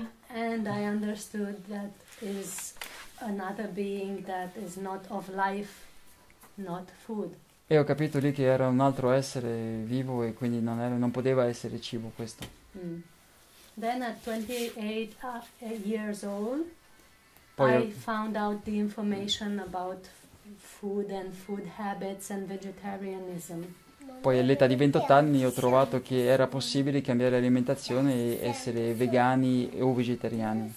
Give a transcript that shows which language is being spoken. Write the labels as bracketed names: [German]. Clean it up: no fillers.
[English] And I understood that is another being that is not of life, not food. [Italian] E ho capito lì che era un altro essere vivo e quindi non poteva essere cibo questo. Mm. [English] Then at 28 years old, poi I found out the information about food and food habits and vegetarianism. [Italian] Poi all'età di 28 anni ho trovato che era possibile cambiare alimentazione e essere vegani o vegetariani.